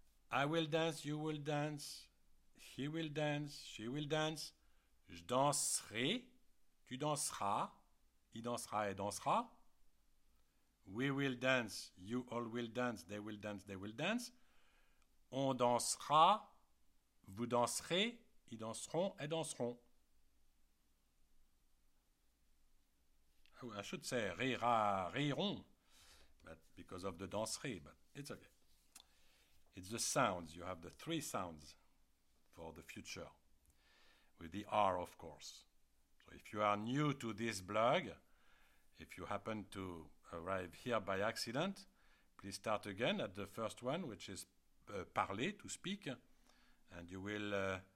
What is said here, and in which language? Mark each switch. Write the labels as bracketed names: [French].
[English] I will dance, you will dance, he will dance, she will dance. [French] Je danserai, tu danseras, il dansera et dansera. [English] We will dance, you all will dance, they will dance, they will dance. [French] On dansera, vous danserez. Ils danseront et danseront. [English] I should say rira, riront, but because of the danserie, but it's okay. It's the sounds. You have the three sounds for the future, with the R, of course. So if you are new to this blog, if you happen to arrive here by accident, please start again at the first one, which is parler, to speak, and you will...